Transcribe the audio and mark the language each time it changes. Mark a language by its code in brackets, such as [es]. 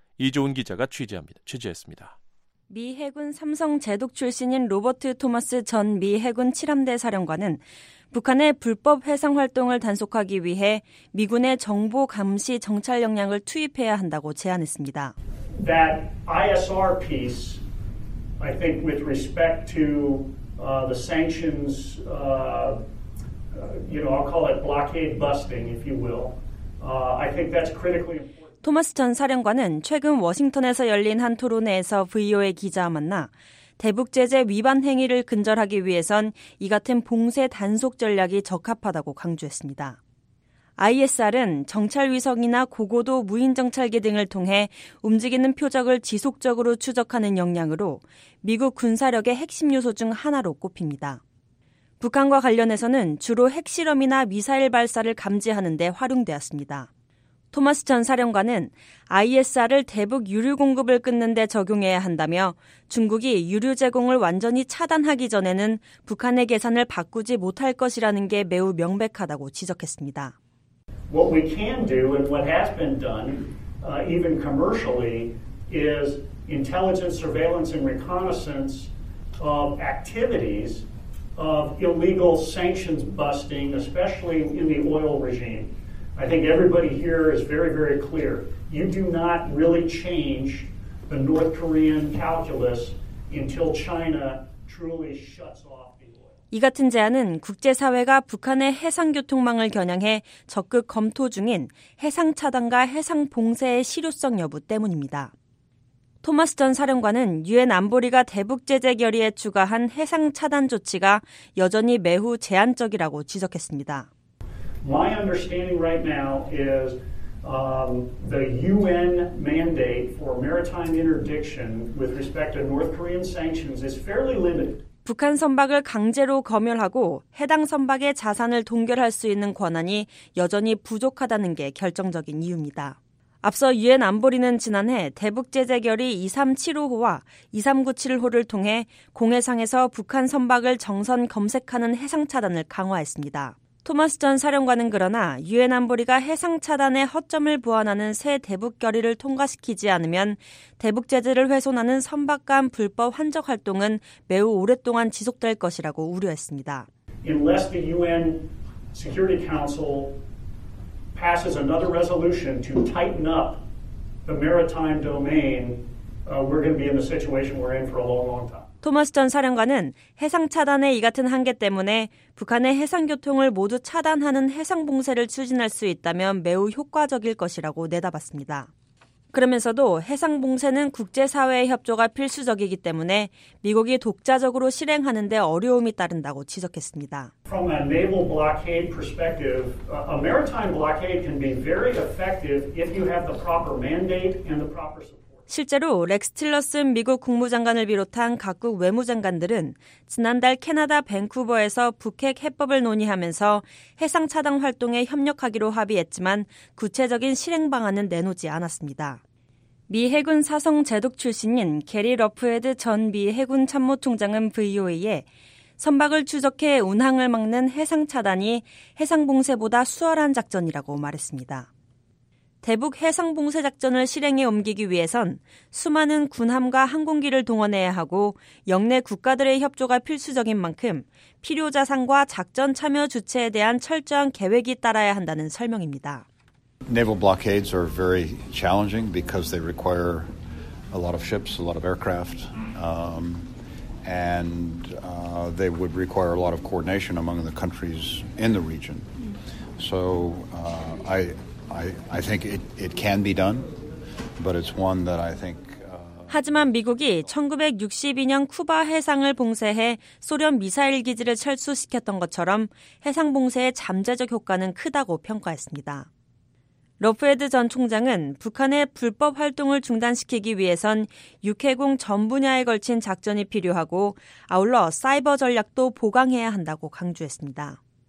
[ko] 이조은 기자가 취재했습니다. 미 해군 3성 제독 출신인 로버트 토마스 전 미 해군 7함대 사령관은 북한의 불법 해상 활동을 단속하기 위해 미군의 정보 감시 정찰 역량을 투입해야 한다고 제안했습니다. [en] That ISR piece, I think, with respect to the sanctions, you know, I'll call it blockade busting, if you will. I think that's critically important. [ko] 토마스 전 사령관은 최근 워싱턴에서 열린 한 토론회에서 VOA 기자와 만나 대북 제재 위반 행위를 근절하기 위해선 이 같은 봉쇄 단속 전략이 적합하다고 강조했습니다. ISR은 정찰위성이나 고고도 무인정찰기 등을 통해 움직이는 표적을 지속적으로 추적하는 역량으로 미국 군사력의 핵심 요소 중 하나로 꼽힙니다. 북한과 관련해서는 주로 핵실험이나 미사일 발사를 감지하는 데 활용되었습니다. 토마스 전 사령관은 ISR을 대북 유류 공급을 끊는 데 적용해야 한다며 중국이 유류 제공을 완전히 차단하기 전에는 북한의 계산을 바꾸지 못할 것이라는 게 매우 명백하다고 지적했습니다. [en] What we can do and what has been done, even commercially, is intelligence, surveillance, and reconnaissance of activities of illegal sanctions busting, especially in the oil regime. I think everybody here is very, very clear. You do not really change the North Korean calculus until China truly shuts off. [ko] 이 같은 제안은 국제사회가 북한의 해상교통망을 겨냥해 적극 검토 중인 해상차단과 해상봉쇄의 실효성 여부 때문입니다. 토마스 전 사령관은 유엔 안보리가 대북제재 결의에 추가한 해상차단 조치가 여전히 매우 제한적이라고 지적했습니다. [en] My understanding right now is the UN mandate for maritime interdiction with respect to North Korean sanctions is fairly limited. [ko] 북한 선박을 강제로 검열하고 해당 선박의 자산을 동결할 수 있는 권한이 여전히 부족하다는 게 결정적인 이유입니다. 앞서 유엔 안보리는 지난해 대북 제재 결의 2375호와 2397호를 통해 공해상에서 북한 선박을 정선 검색하는 해상 차단을 강화했습니다. 토마스 전 사령관은 그러나 유엔 안보리가 해상 차단의 허점을 보완하는 새 대북 결의를 통과시키지 않으면 대북 제재를 훼손하는 선박 간 불법 환적 활동은 매우 오랫동안 지속될 것이라고 우려했습니다. [en] Unless the UN Security Council passes another resolution to tighten up the maritime domain, we're going to be in the situation we're in for a long, long time. [ko] 토마스 전 사령관은 해상 차단의 이 같은 한계 때문에 북한의 해상 교통을 모두 차단하는 해상 봉쇄를 추진할 수 있다면 매우 효과적일 것이라고 내다봤습니다. 그러면서도 해상 봉쇄는 국제사회의 협조가 필수적이기 때문에 미국이 독자적으로 실행하는 데 어려움이 따른다고 지적했습니다. [en] From a naval blockade perspective, a maritime blockade can be very effective if you have the proper mandate and the proper support. [ko] 실제로 렉스 틸러슨 미국 국무장관을 비롯한 각국 외무장관들은 지난달 캐나다 밴쿠버에서 북핵 해법을 논의하면서 해상 차단 활동에 협력하기로 합의했지만 구체적인 실행 방안은 내놓지 않았습니다. 미 해군 사성 제독 출신인 게리 러프헤드 전 미 해군 참모총장은 VOA에 선박을 추적해 운항을 막는 해상 차단이 해상 봉쇄보다 수월한 작전이라고 말했습니다. 대북 해상 봉쇄 작전을 실행에 옮기기 위해선 수많은 군함과 항공기를 동원해야 하고 역내 국가들의 협조가 필수적인 만큼 필요 자산과 작전 참여 주체에 대한 철저한 계획이 따라야 한다는 설명입니다. [en] Naval blockades are very challenging because they require a lot of ships, a lot of aircraft, and they would require a lot of coordination among the countries in the region. So I think it can be done, but it's one that I think. [ko] 하지만 미국이 1962년 쿠바 해상을 봉쇄해 소련 미사일 기지를 철수시켰던 것처럼 해상 봉쇄의 잠재적 효과는 크다고 평가했습니다. 러프헤드 전 총장은 북한의 불법 활동을 중단시키기 위해선 육해공 전 분야에 걸친 작전이 필요하고 아울러 사이버 전략도 보강해야 한다고 강조했습니다.